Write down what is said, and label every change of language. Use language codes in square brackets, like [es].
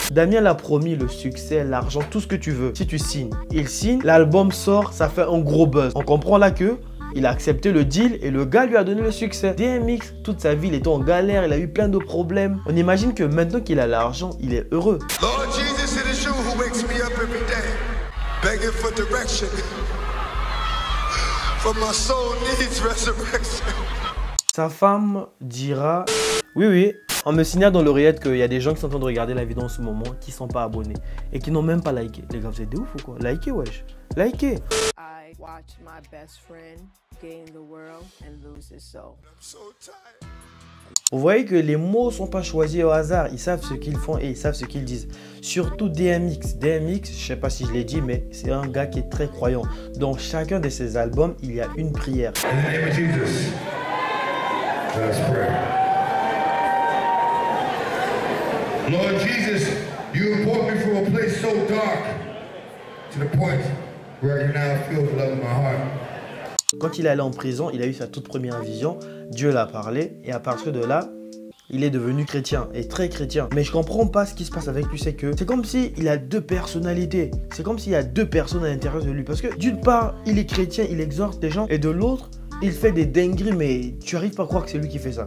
[fr] Damien l'a promis, le succès, l'argent, tout ce que tu veux. Si tu signes, il signe, l'album sort, ça fait un gros buzz. On comprend là que... il a accepté le deal et le gars lui a donné le succès. DMX, toute sa vie, il était en galère, il a eu plein de problèmes. On imagine que maintenant qu'il a l'argent, il est heureux. [en] Lord Jesus, it is you who wakes me up every day, begging for direction. For my soul needs resurrection. [fr] Sa femme dira... oui, oui. On me signale dans l'oreillette qu'il y a des gens qui sont en train de regarder la vidéo en ce moment, qui sont pas abonnés et qui n'ont même pas liké. Les gars, vous êtes des ouf ou quoi? Likez, wesh. Likez. [en] I watch my best friend gain the world and lose his soul. I'm so tired. [fr] Vous voyez que les mots sont pas choisis au hasard. Ils savent ce qu'ils font et ils savent ce qu'ils disent. Surtout DMX. DMX, je sais pas si je l'ai dit, mais c'est un gars qui est très croyant. Dans chacun de ses albums, il y a une prière. [en] In the name of Jesus. Let's pray. Lord Jesus, you have brought me from a place so dark to the point where I now feel the love of my heart. [fr] Quand il est allé en prison, il a eu sa toute première vision, Dieu l'a parlé, et à partir de là, il est devenu chrétien, et très chrétien. Mais je comprends pas ce qui se passe avec lui, c'est que c'est comme s'il a deux personnalités. C'est comme s'il y a deux personnes à l'intérieur de lui. Parce que d'une part, il est chrétien, il exhorte les gens, et de l'autre, il fait des dingueries, mais tu arrives pas à croire que c'est lui qui fait ça.